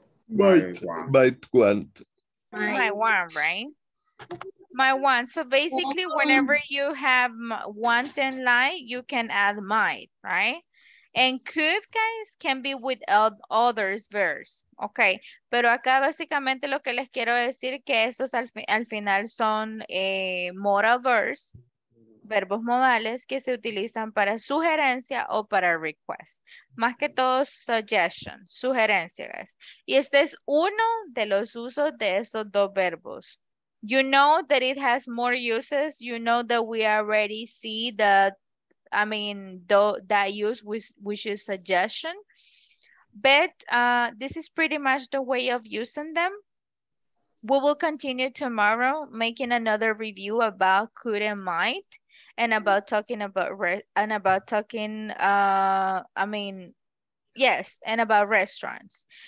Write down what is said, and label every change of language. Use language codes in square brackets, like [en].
[en] Might want. So basically, whenever you have want and like, you can add might, right? And could, guys, can be with others' verbs. Okay. [es] Pero acá básicamente lo que les quiero decir que estos al final son modal verbs, verbos modales que se utilizan para sugerencia o para request. Más que todo, suggestion, sugerencia, guys. Y este es uno de los usos de estos dos verbos. [en] You know that it has more uses. You know that we already see that, I mean, that use which is suggestion. But this is pretty much the way of using them. We will continue tomorrow making another review about could and might and about talking about, and about restaurants.